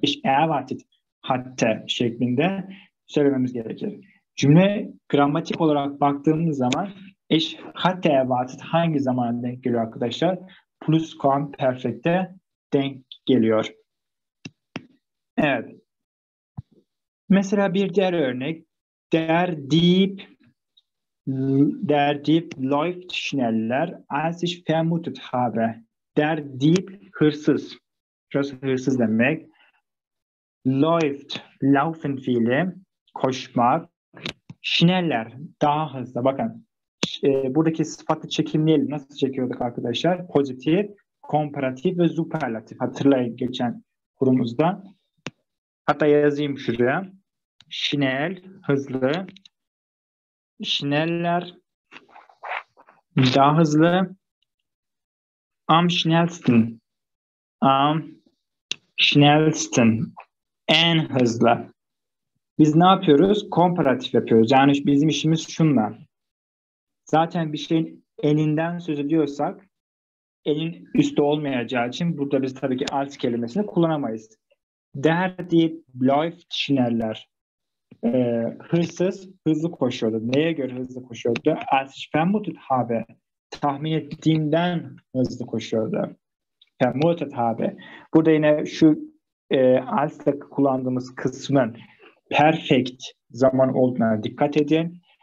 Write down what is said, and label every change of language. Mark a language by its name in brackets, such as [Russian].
[German] Ich erwartet hatte [Turkish] şeklinde söylememiz gerekir. Cümle gramatik olarak baktığımız zaman [German] ich hatte erwartet [Turkish] hangi zamana denk geliyor arkadaşlar? Plusquamperfekte denk geliyor. Evet. Mesela bir diğer örnek. [German] Der Dieb läuft schneller als ich vermutet habe. [Turkish] Der Dieb hırsız. Şurası hırsız demek. Läuft, laufen fiili. Koşmak. Schneller, daha hızlı. Bakın, buradaki sıfatı çekimleyelim. Nasıl çekiyorduk arkadaşlar? Pozitif, komparatif ve superlatif. Hatırlayın geçen kurumuzda. Hatta yazayım şuraya. Schnell, hızlı. Schneller, daha hızlı. [German] Am schnellsten. Am schnellsten. [Turkish] en hızlı. Biz ne yapıyoruz? Komparatif yapıyoruz. Yani bizim işimiz şunla. Zaten bir şeyin eninden söz ediyorsak, enin üstte olmayacağı için burada biz tabii ki als kelimesini kullanamayız. [German] Der die läuft schneller. [Turkish] Hırsız hızlı koşuyordu. Neye göre hızlı koşuyordu? [German] Als ich vermutet habe. [Turkish] Tahmin ettiğimden hızlı koşuyordu. Vermutet habe. Burada yine şu als'ta kullandığımız kısmın perfect zaman olduğuna dikkat edin.